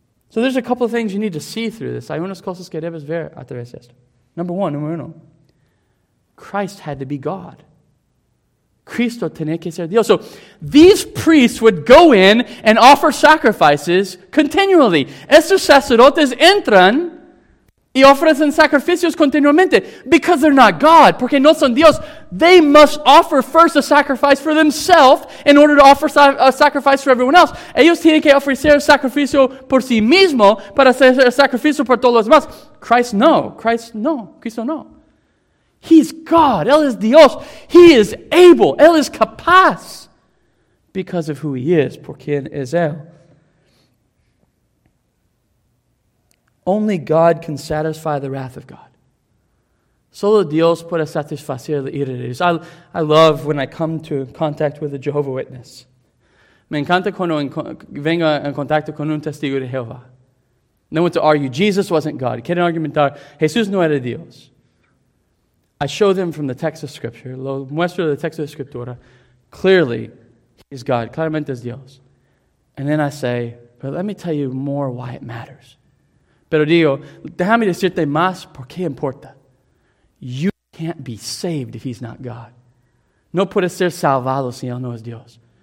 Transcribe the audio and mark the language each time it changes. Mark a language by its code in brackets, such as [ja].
[en] So there's a couple of things you need to see through this. [es] Hay unas cosas que debes ver a través de esto. [en] Number one. Christ had to be God. [es] Cristo tenía que ser Dios. [en] So these priests would go in and offer sacrifices continually. [es] Estos sacerdotes entran y ofrecen sacrificios continuamente [en] because they're not God, [es] porque no son Dios. [en] They must offer first a sacrifice for themselves in order to offer a sacrifice for everyone else. [es] Ellos tienen que ofrecer sacrificio por sí mismo para hacer sacrificio por todos los demás. Cristo no. [en] He's God. [es] Él es Dios. [en] He is able. [es] Él es capaz. [en] Because of who He is. [es] Por quien es Él. [en] Only God can satisfy the wrath of God. [es] Solo Dios puede satisfacer la ira de Dios. [en] I love when I come to contact with a Jehovah Witness. [es] Me encanta cuando vengo en contacto con un testigo de Jehová. [en] No one to argue. Jesus wasn't God. [es] Quieren argumentar. Jesús no era Dios. [en] I show them from the text of Scripture, [es] lo muestro de la texto de Scriptura, [en] clearly, He's God, [es] claramente es Dios. [en] And then I say, but let me tell you more why it matters. [es] Pero digo, déjame decirte más por qué importa. [en] You can't be saved if He's not God. [es] No puedes ser salvado si Él no es Dios.